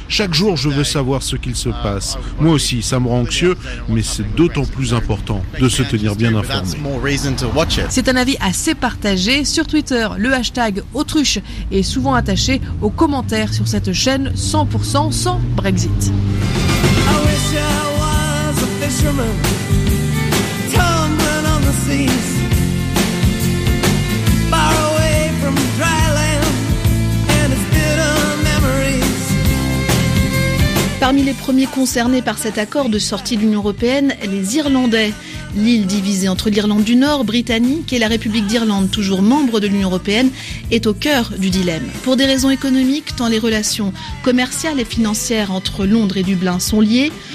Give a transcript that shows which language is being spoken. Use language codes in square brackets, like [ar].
[fr] Chaque jour, je veux savoir ce qu'il se passe. Moi aussi, ça me rend anxieux, mais c'est d'autant plus important de se tenir bien informé. C'est un avis assez partagé. Sur Twitter, le hashtag Autruche est souvent attaché aux commentaires sur cette chaîne 100% sans Brexit. [en] Tumbling on the seas, far away from dry land and its bitter memories. [fr] Parmi les premiers concernés par cet accord de sortie de l'Union européenne, les Irlandais. L'île divisée entre l'Irlande du Nord, britannique, et la République d'Irlande, toujours membre de l'Union européenne, est au cœur du dilemme. Pour des raisons économiques, tant les relations commerciales et financières entre Londres et Dublin sont liées.